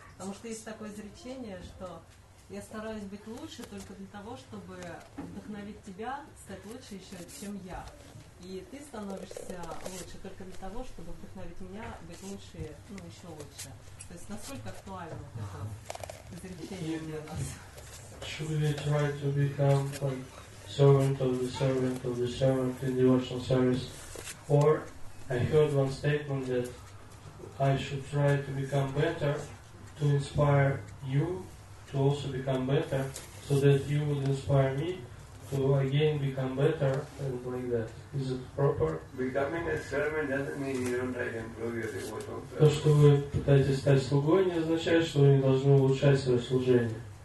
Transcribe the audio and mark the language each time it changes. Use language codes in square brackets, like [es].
[ru] Потому что есть такое изречение, что я стараюсь быть лучше только для того, чтобы вдохновить тебя стать лучше еще, чем я. И ты становишься лучше только для того, чтобы вдохновить меня быть лучше, еще лучше. То есть насколько актуально это изречение для нас? [en] Should we try to become like servant of the servant of the servant in devotional service? Or I heard one statement that I should try to become better to inspire you to also become better, so that you would inspire me to again become better and like that. Is it proper? Becoming a servant doesn't mean you don't try to improve your devotion. [ru] То, что вы пытаетесь стать слугой, не означает, что вы не должны улучшать свое служение.